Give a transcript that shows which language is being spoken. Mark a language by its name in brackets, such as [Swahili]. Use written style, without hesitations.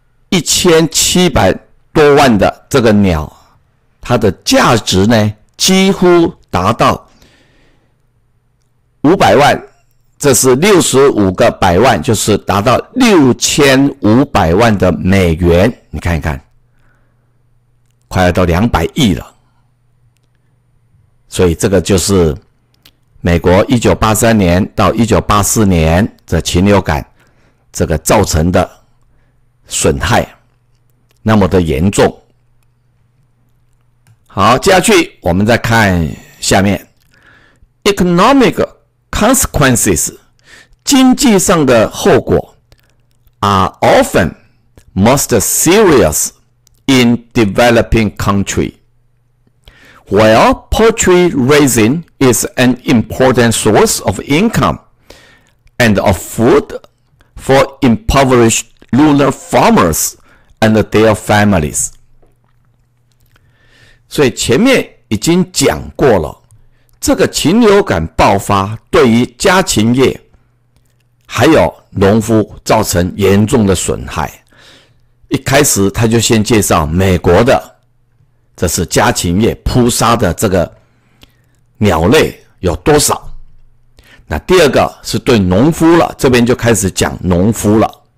[Chinese] 1700多万的这个鸟，它的价值呢几乎达到500万，这是65个百万，就是达到6500万的美元，你看一看，快要到200亿了，所以这个就是美国1983年到1984年的禽流感这个造成的损害那么的严重。好，接下去我们再看下面 [English] economic consequences， [Chinese] 经济上的后果 [English] are often most serious in developing country while poultry raising is an important source of income and of food for impoverished rural farmers and their families。 [Chinese] 所以前面已经讲过了，这个禽流感爆发对于家禽业还有农夫造成严重的损害，一开始他就先介绍美国的这是家禽业扑杀的这个鸟类有多少，那第二个是对农夫了，这边就开始讲农夫了，